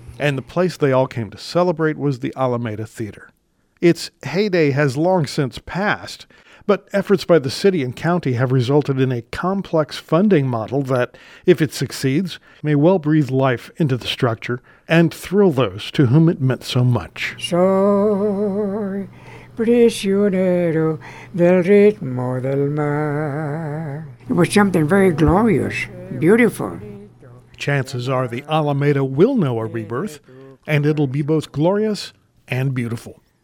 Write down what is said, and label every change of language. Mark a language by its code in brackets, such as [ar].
[en] And the place they all came to celebrate was the Alameda Theater. Its heyday has long since passed, but efforts by the city and county have resulted in a complex funding model that, if it succeeds, may well breathe life into the structure and thrill those to whom it meant so much. [es] Soy prisionero del ritmo del mar. [en] It was something very glorious, beautiful. Chances are the Alameda will know a rebirth, and it'll be both glorious and beautiful.